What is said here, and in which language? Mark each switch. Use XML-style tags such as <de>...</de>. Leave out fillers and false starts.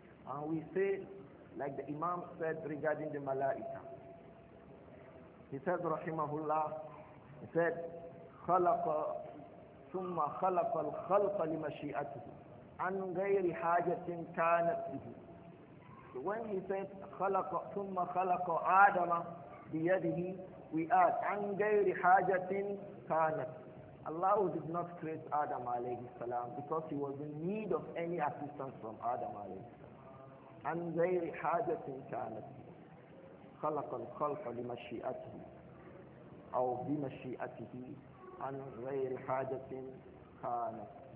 <en>And we say, like the Imam said regarding the malaika, he said rahimahullah, he said, خَلَقَ ثُمَّ خَلَقَ الْخَلْقَ لِمَشِيئَتِهِ عَنْ غَيْرِ حَاجَةٍ كَانَتْ بِهِ.</en> <ar>So when he said خَلَقَ ثُمَّ خَلَقَ آدَمَ بِيَدِهِ, we ask, عَنْ غَيْرِ حَاجَةٍ كَانَتْ.</ar> <en>Allah did not create Adam alayhi salam because he was in need of any assistance from Adam alayhi salam.</en> <ar>عَنْ غَيْرِ حَاجَةٍ كَانَتْهِ خَلَقَ الْخَلْقَ لِمَشِيئَتِهِ أَوْ بِمَشِيئَتِهِ عَنْ غَيْرِ حَاجَةٍ كَانَتْهِ.</ar>